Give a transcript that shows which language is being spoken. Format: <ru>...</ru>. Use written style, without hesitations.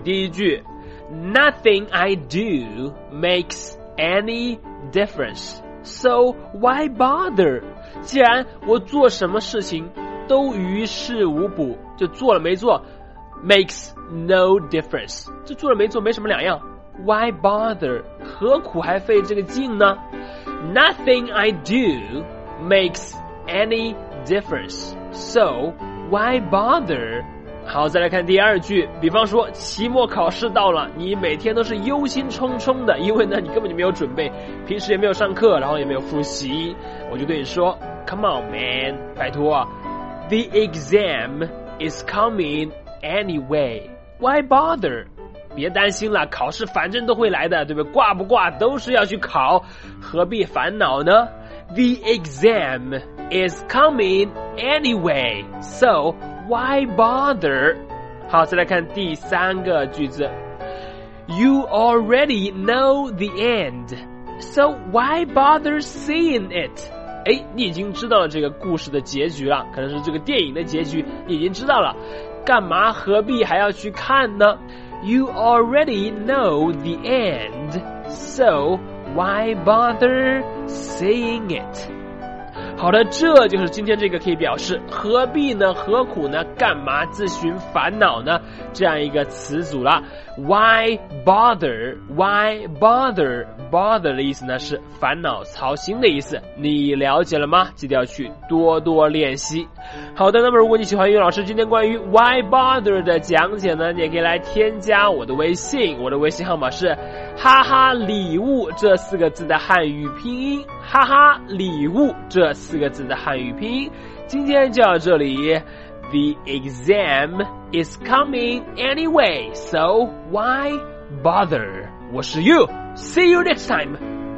<zh>第一句</zh> <en>，Nothing I do makes any difference, so why bother?</en> <zh>既然我做什么事情都于事无补，就做了没做 ，</zh> <en>makes no difference,</en> <zh>就做了没做没什么两样。</zh> <en>Why bother?</en> <zh>何苦还费这个劲呢</zh> <en>？Nothing I do makes any difference, so why bother?</en> <zh>好，再来看第二句。比方说期末考试到了，你每天都是忧心忡忡的，因为呢你根本就没有准备，平时也没有上课，然后也没有复习。我就对你说</zh> <en>Come on man,</en> <zh>拜托</zh> <en>The exam is coming anyway, why bother?</en> <zh>别担心了，考试反正都会来的，对不对？挂不挂都是要去考，何必烦恼呢？</zh> <en>The exam is coming anyway, soWhy bother?</en> <zh>好，再来看第三个句子。</zh> <en>You already know the end, so why bother seeing it?</en> <zh>哎，你已经知道了这个故事的结局了，可能是这个电影的结局，你已经知道了，干嘛何必还要去看呢？</zh> <en>You already know the end, so why bother seeing it?</en> <zh>好的，这就是今天这个可以表示何必呢、何苦呢、干嘛自寻烦恼呢这样一个词组了。</zh> <en>Why bother? Why bother?</en> <zh>Bother 的意思呢是烦恼、操心的意思，你了解了吗？记得要去多多练习。好的，那么如果你喜欢英语老师今天关于 Why bother 的讲解呢，你也可以来添加我的微信，我的微信号码是哈哈礼物这四个字的汉语拼音，哈哈礼物这四个字的汉语拼音。今天就到这里。</zh> <en>The exam is coming anyway, so why bother?</en> <zh>我是</zh> <en>You, see you next time.</en>